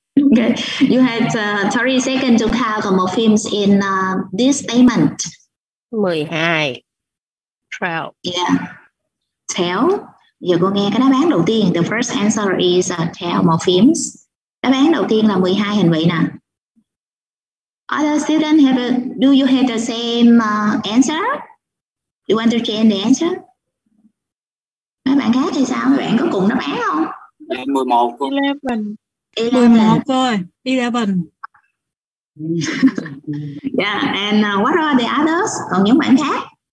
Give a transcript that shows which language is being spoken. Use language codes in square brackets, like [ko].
[en] Okay, you had 30 seconds to count the morphemes in this statement. 12. 12. Yeah. Tell. [vi] Giờ cô nghe cái đáp án đầu tiên. [en] The first answer is tell morphemes. [vi] Đáp án đầu tiên là 12 hình vị nè. [en] Other students have do you have the same answer? You want to change the answer? [vi] Mấy bạn khác thì sao? Mấy bạn có cùng đáp án không? 11. 11. 11 thôi, 11. [en] Yeah, and what are the others? [vi] Còn những bạn khác?